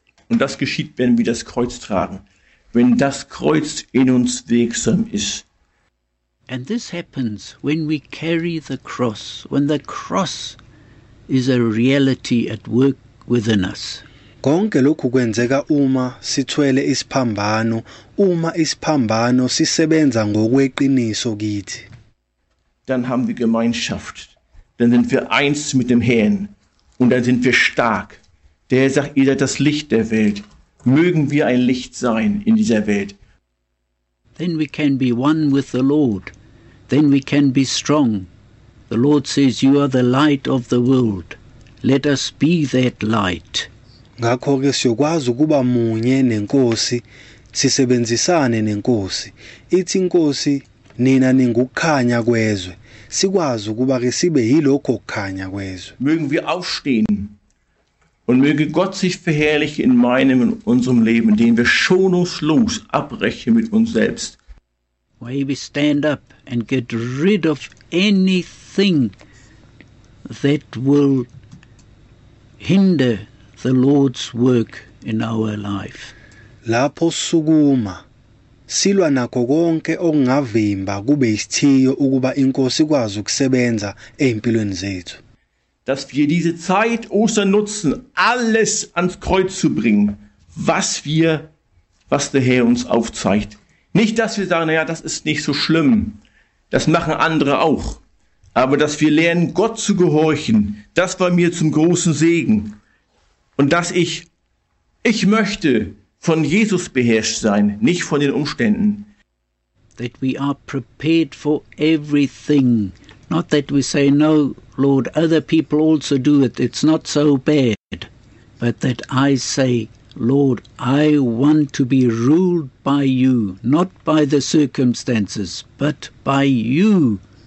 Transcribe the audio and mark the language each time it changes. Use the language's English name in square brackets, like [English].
[German] Und das geschieht, wenn wir das Kreuz tragen, wenn das Kreuz in uns wirksam ist. [English] And this happens when we carry the cross, when the cross is a reality at work within us. [Zulu] Konke lokhu kwenzeka uma sithwele isiphambano, uma isiphambano sisebenza ngokweqiniso kithi. [German] Dann haben wir Gemeinschaft, dann sind wir eins mit dem Herrn und dann sind wir stark. Der Herr sagt, ihr seid das Licht der Welt. Mögen wir ein Licht sein in dieser Welt. [English] Then we can be one with the Lord. Then we can be strong. The Lord says, you are the light of the world. Let us be that light. [Zulu] Ngakho ke siyokwazi ukuba munye nenkosi, sisebenzisane nenkosi. Ithi inkosi, nina ningukhanya kwezwe. Sikwazi ukuba ke sibe yilokho kukhanya kwezwe. [German] Mögen wir aufstehen und möge Gott sich verherrlichen in meinem und unserem Leben, indem wir schonungslos abbrechen mit uns selbst. [English] May we stand up and get rid of anything that will hinder the Lord's work in our life. [Zulu] Lapho sukuma silwa nakho konke okungavimba kube isithiyo ukuba inkosi ikwazi ukusebenza empilweni zethu. [German] Dass wir diese Zeit Ostern nutzen, alles ans Kreuz zu bringen, was der Herr uns aufzeigt. Nicht, dass wir sagen, naja, das ist nicht so schlimm, das machen andere auch. Aber dass wir lernen, Gott zu gehorchen, das war mir zum großen Segen. Und dass ich möchte von Jesus beherrscht sein, nicht von den Umständen. [English] That we are prepared for everything. Not that we say, no, Lord, other people also do it, it's not so bad. But that I say, Lord, I want to be ruled by you, not by the circumstances, but by you.